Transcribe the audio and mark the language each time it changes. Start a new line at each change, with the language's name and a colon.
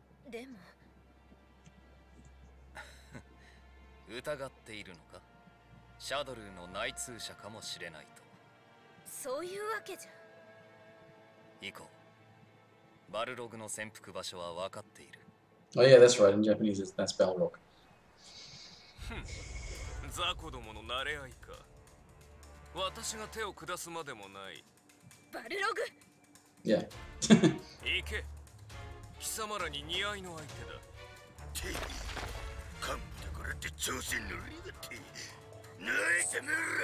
Japanese: でも疑っているのか。シャドルの内通者かもしれないと。そういうわけじゃ。行こう。バルログの潜伏場所は分かっている。
English: Oh yeah, that's right. In Japanese, that's Balrog.
Japanese: ザコどもの慣れ合いか。私が手を下すまでもない。バルログ。
English: Yeah.
Japanese: 行け。貴様らに似合いの相手だ。て、幹部だからって調子乗りがて。泣いてみろ。